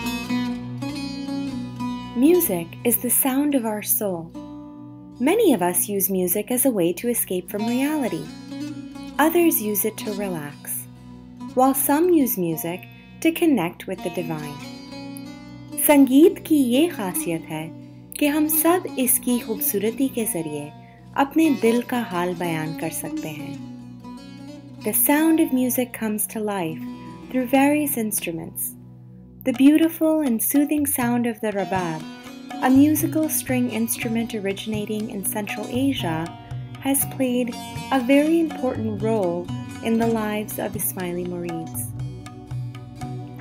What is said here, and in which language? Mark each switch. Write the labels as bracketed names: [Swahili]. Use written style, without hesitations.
[English] Music is the sound of our soul. Many of us use music as a way to escape from reality. Others use it to relax, while some use music to connect with the divine. [Urdu] سنگیت کی یے خاصیت ہے کی ہم سب اسکی خوبصورتی کے ذریعے اپنے دل کا حال بیان کر سکتے ہیں۔ [English] The sound of music comes to life through various instruments. The beautiful and soothing sound of the rabab, a musical string instrument originating in Central Asia, has played a very important role in the lives of Ismaili Murids.